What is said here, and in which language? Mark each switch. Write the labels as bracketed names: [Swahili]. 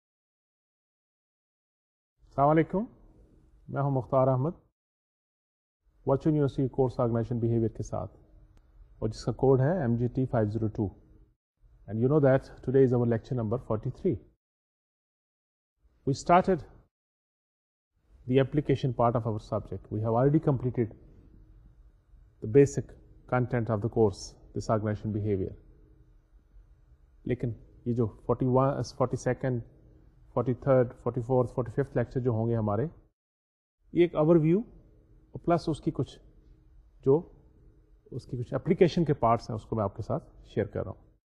[Urdu] السلام علیکم، میں ہوں مختار Ahmad, virtual university course organization behaviour کے ساتھ، اور جس کا کوڈ ہے MGT502. [English] And you know that today is our lecture number 43. We started the application part of our subject, we have already completed the basic content of the course this organization behaviour. [Urdu] لیکن یہ جو 42nd, 43rd, 44th, 45th lecture جو ہوں گے ہمارے، یہ ایک over view اور پلس اس کی کچھ اپلیکیشن کے پارٹس ہیں، اس کو میں آپ کے ساتھ شیئر کر رہا ہوں.